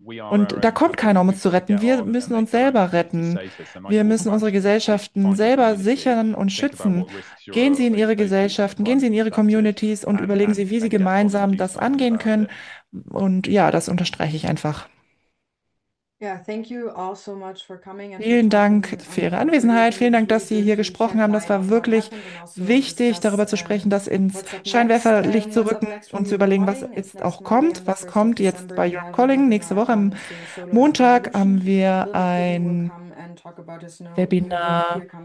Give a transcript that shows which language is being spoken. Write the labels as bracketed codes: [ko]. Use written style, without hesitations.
[de] Und da kommt keiner, um uns zu retten. Wir müssen uns selber retten. Wir müssen unsere Gesellschaften selber sichern und schützen. Gehen Sie in Ihre Gesellschaften, gehen Sie in Ihre Communities und überlegen Sie, wie Sie gemeinsam das angehen können. Und ja, das unterstreiche ich einfach. [en] Yeah, thank you all so much for coming and [de] vielen Dank für Ihre Anwesenheit. Vielen Dank, dass Sie hier gesprochen haben. Das war wirklich wichtig, darüber zu sprechen, das ins Scheinwerferlicht zu rücken und zu überlegen, was jetzt auch kommt. Was kommt jetzt bei Europe Calling? Nächste Woche am Montag haben wir ein Webinar.